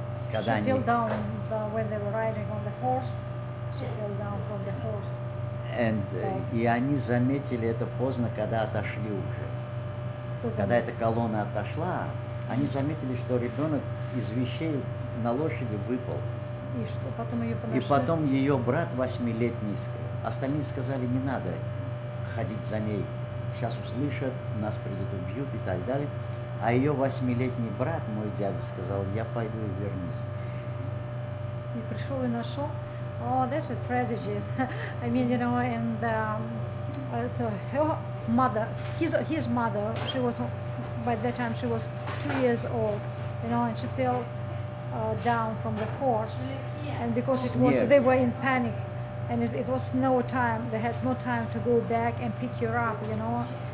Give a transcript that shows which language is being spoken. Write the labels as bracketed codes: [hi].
[ru] Когда [en] she fell down when they were riding on the horse. She fell down from the horse. And [ru] и они заметили это поздно, когда отошли уже. Когда эта колонна отошла, они заметили, что ребенок из вещей на лошади выпал. И что, потом ее подошли? И потом ее брат восьмилетний сказал. Остальные сказали, не надо ходить за ней. Сейчас услышат, нас придут, убьют и так далее. А ее восьмилетний брат, мой дядя, сказал, я пойду и вернусь. И пришел и нашел. О, это стратегия. [en] I mean, you know, and so her mother, his mother, she was, by that time she was 2 years old, you know, and she fell down from the horse. And because it was, they were in panic. And it was no time, they had no time to go back and pick her up, you know.